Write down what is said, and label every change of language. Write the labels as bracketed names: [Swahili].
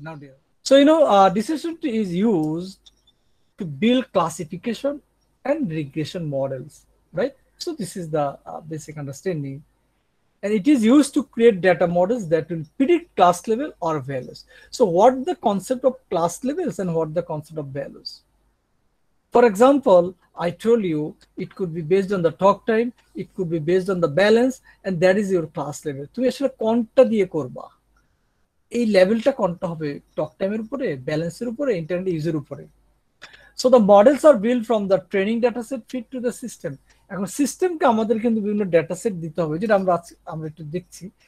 [English] Now dear, so you know decision tree is used to build classification and regression models, right? So this is the basic understanding and it is use to create data models that will predict class level or values. So what the concept of class levels and what the concept of values? For example, I told you it could be based on the talk time, it could be based on the balance, and that is your class level. [Bangla] তুমি আসলে কোনটা দিয়ে করবা, এই লেভেলটা কোনটা হবে, টক টাইমের উপরে, ব্যালেন্সের উপরে, ইন্টারনেট ইউজের উপরে? [English] So the models are build from the training data set fit to the system. [Bangla] এখন সিস্টেমকে আমাদের কিন্তু বিভিন্ন ডাটা সেট দিতে হবে, যেটা আমরা আমরা একটু দেখছি।